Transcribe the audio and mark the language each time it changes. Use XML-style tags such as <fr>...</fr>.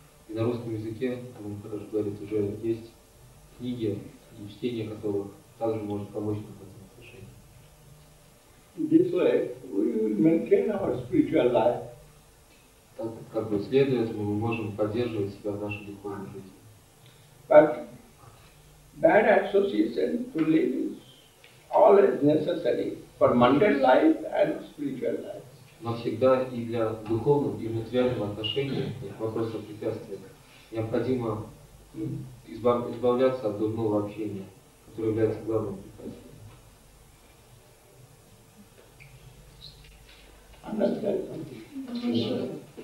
<ru>И на русском языке, как он хорошо говорит, уже есть книги, и чтение которых также может помочь нам в этом отношении.</ru> <en>This way we will maintain our spiritual life.</en> <ru>Так как бы следуя этому, мы можем поддерживать себя в нашей духовной жизни.</ru> <en>Bad association to live is always necessary for mundane life and spiritual life.</en> <ru>Но всегда и для духовного и материального отношения вопроса препятствия необходимо избавляться от дурного общения, которое является главным препятствием.</ru>